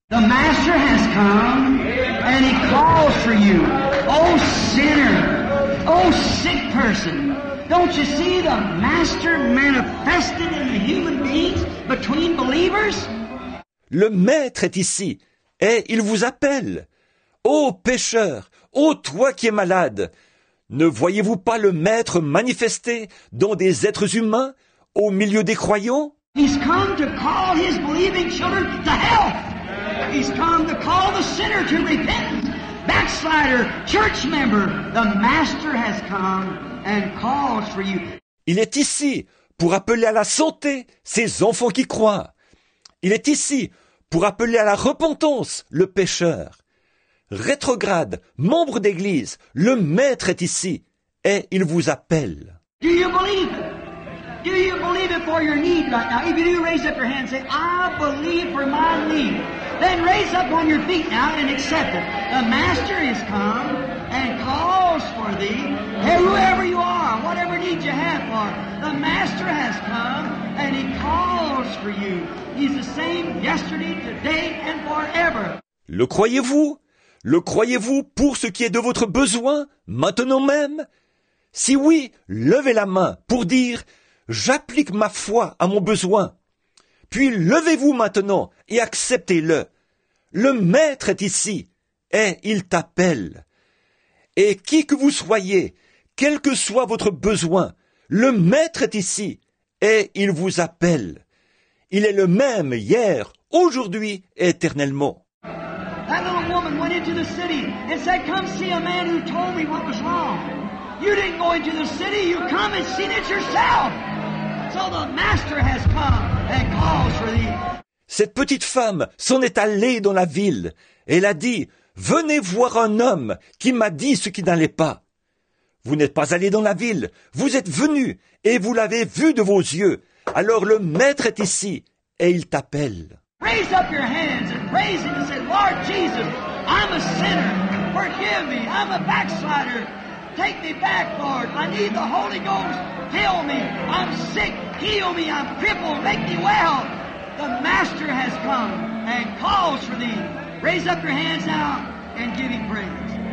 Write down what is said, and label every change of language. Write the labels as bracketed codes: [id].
[en] The Master has come and he calls for you. Oh sinner, oh sick person. Don't you see the Master manifested in the human beings between believers? [fr] Le Maître est ici et il vous appelle. Ô pécheur, ô toi qui es malade, ne voyez-vous pas le Maître manifesté dans des êtres humains au milieu des croyants? [en] He's come to call his believing children to health. He's come to call the sinner to repentance. Backslider, church member, the Master has come. And calls for you. [fr] Il est ici pour appeler à la santé ses enfants qui croient. Il est ici pour appeler à la repentance le pécheur. Rétrograde, membre d'église, le maître est ici et il vous appelle. [en] Do you believe? Do you believe it for your need right now? If you do, raise up your hand and say, I believe for my need. Then raise up on your feet now and accept it. The Master is come. And calls for thee, hey, whoever you are, whatever need you have for, the Master has come, and he calls for you. He's the same yesterday, today, and forever. [fr] Le croyez-vous? Le croyez-vous pour ce qui est de votre besoin, maintenant même? Si oui, levez la main pour dire, j'applique ma foi à mon besoin. Puis levez-vous maintenant et acceptez-le. Le Maître est ici, et il t'appelle. Et qui que vous soyez, quel que soit votre besoin, le Maître est ici et il vous appelle. Il est le même hier, aujourd'hui et éternellement. [en] That little woman went into the city and said, come see a man who told me what was wrong. You didn't go into the city, you come and seen it yourself. So the Master has come and calls for thee. [fr] Cette petite femme s'en est allée dans la ville. Elle a dit, venez voir un homme qui m'a dit ce qui n'allait pas. Vous n'êtes pas allé dans la ville, vous êtes venu et vous l'avez vu de vos yeux. Alors le Maître est ici et il t'appelle. [en] Raise up your hands and praise him and say, Lord Jesus, I'm a sinner. Forgive me, I'm a backslider. Take me back, Lord. I need the Holy Ghost. Heal me. I'm sick. Heal me. I'm crippled. Make me well. The Master has come and calls for thee. Raise up your hands now and give him praise.